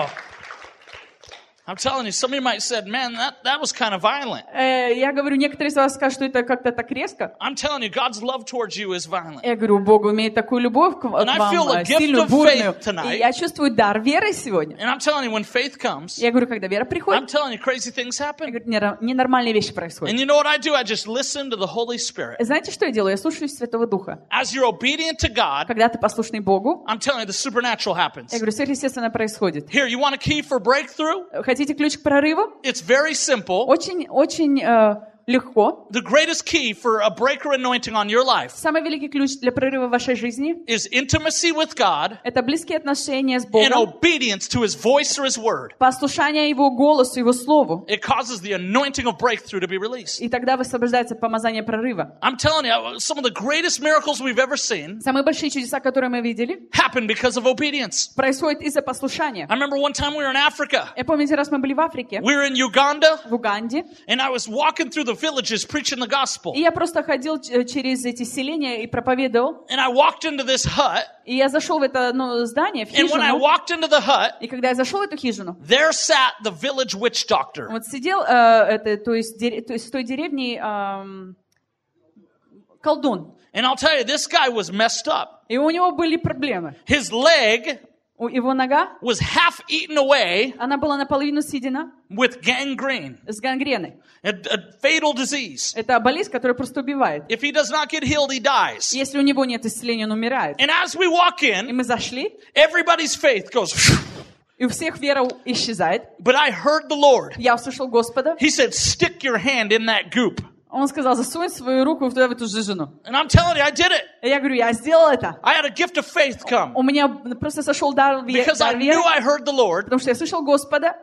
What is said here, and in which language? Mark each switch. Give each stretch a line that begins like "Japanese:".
English: Oh. I'm telling you, some of you might have said, man, that was kind of violent.
Russian: Я говорю, некоторые из вас скажут, что это как-то так резко.
English: I'm telling you, God's love towards you is violent.
Russian: Я говорю, Бог имеет такую любовь к вам,
English: And I feel a gift
Russian: сильную, бурную.
English: Tonight.
Russian: И я чувствую дар веры сегодня.
English: And I'm telling you, when faith comes,
Russian: я говорю, когда вера приходит,
English: I'm telling you, crazy things happen.
Russian: Я говорю, ненормальные вещи происходят.
English: And you know what I do? I just listen to the Holy Spirit.
Russian: Знаете, что я делаю? Я слушаюсь Святого Духа.
English: As you're obedient to God,
Russian: когда ты послушный Богу,
English: I'm telling you, the supernatural happens.
Russian: Я говорю, сверхъестественное происходит.
English: Here, you want a key for breakthrough?
Russian: Хотите ключ к прорыву?
English: It's very simple.
Russian: Очень легко.
English: The greatest key for a breaker anointing on your life.
Russian: Самый великий ключ для прорыва в вашей жизни.
English: Is intimacy with God.
Russian: Это близкие отношения с Богом.
English: And obedience to His voice or His word.
Russian: Послушание Его голосу, Его слову.
English: It causes the anointing of breakthrough to be released.
Russian: И тогда высвобождается помазание прорыва.
English: I'm telling you, some of the greatest miracles we've ever seen.
Russian: Самые большие чудеса, которые мы видели.
English: Happen because of obedience.
Russian: Происходит из-за послушания.
English: I remember one time we were in Africa.
Russian: Я помню, раз мы были в Африке.
English: We were in Uganda.
Russian: В Уганде.
English: And I was walking through the villages preaching the gospel.
Russian: И я просто ходил через эти селения и проповедовал.
English: And I walked into this hut.
Russian: И я зашел в это одно здание, в хижину.
English: And when I walked into the hut,
Russian: и когда я зашел в эту хижину,
English: there sat the village witch doctor.
Russian: Вот сидел то есть в той деревне колдун.
English: And I'll tell you, this guy was messed up.
Russian: И у него были проблемы.
English: His leg
Russian: Его нога
English: was half eaten away
Russian: она была наполовину съедена
English: with gangrene.
Russian: С гангрены.
English: A fatal disease.
Russian: Это болезнь, которая просто убивает.
English: If he does not get healed, he dies.
Russian: Если у него нет исцеления, он умирает.
English: And as we walk in,
Russian: и мы зашли,
English: everybody's faith goes...
Russian: И у всех вера исчезает.
English: But I heard the Lord.
Russian: Я услышал Господа.
English: He said, stick your hand in that goop.
Russian: Он сказал, засунь свою руку туда, в эту жижину.
English: And I'm telling you, I did it.
Russian: И я говорю, я сделал это.
English: I had a gift of faith come.
Russian: У меня просто сошел дар веры.
English: Because I knew I heard the Lord.
Russian: Потому что я слышал Господа.